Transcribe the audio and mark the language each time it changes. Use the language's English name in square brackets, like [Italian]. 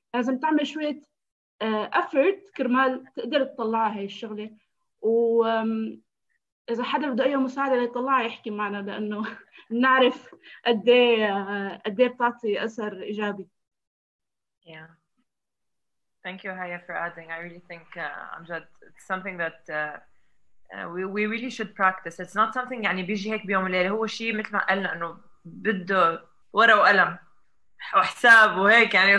[Arabic] لازم تعمل شوية effort كرمال تقدر تطلعها هاي الشغلة. وإذا حدا بده أي مساعدة ليطلعها يحكي معنا لأنه نعرف قدي بتعطي أثر إيجابي. [English] Yeah. Thank you, Haya, for adding. I really think Amjad, it's something that we really should practice. It's not something [Arabic] يعني بيجي هيك بيوم ليلة. هو شيء مثل ما قلنا إنه بده ورقة وقلم وحساب وهيك يعني.